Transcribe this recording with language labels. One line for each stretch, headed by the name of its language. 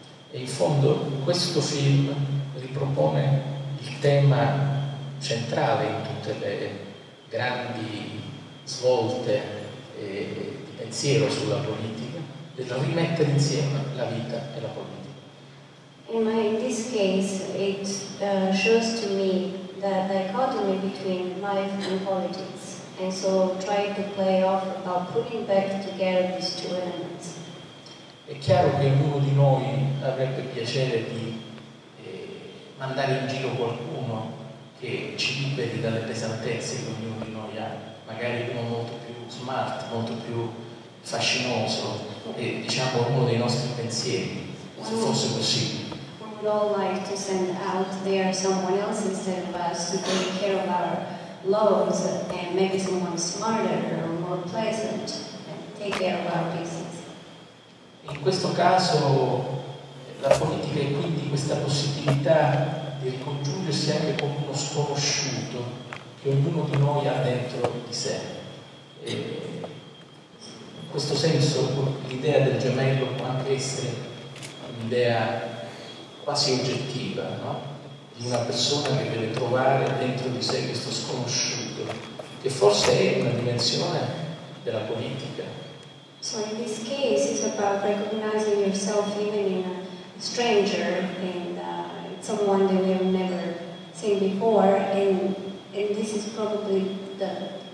Italian: E in fondo questo film ripropone il tema centrale in tutte le grandi svolte di pensiero sulla politica, del rimettere insieme la vita e la politica.
English: In this case it shows to me the dichotomy between life and politics, and so try to play off about putting back together these two elements.
Italian: È chiaro che ognuno di noi avrebbe piacere di mandare in giro qualcuno che ci liberi dalle pesantezze che ognuno di noi ha, magari uno molto più smart, molto più fascinoso, e diciamo uno dei nostri pensieri, se fosse possibile.
English: We would all like to send out there someone else instead of us to take care of our loads and maybe someone smarter or more pleasant and take care of our business.
Italian: In questo caso la politica è quindi questa possibilità di ricongiungersi anche con uno sconosciuto che ognuno di noi ha dentro di sé. E in questo senso l'idea del gemello può anche essere un'idea quasi oggettiva, no? Di una persona che deve trovare dentro di sé questo sconosciuto, che forse è una dimensione della politica.
English: So in this case it's about recognizing yourself even in a stranger and someone that we have never seen before, and this is probably the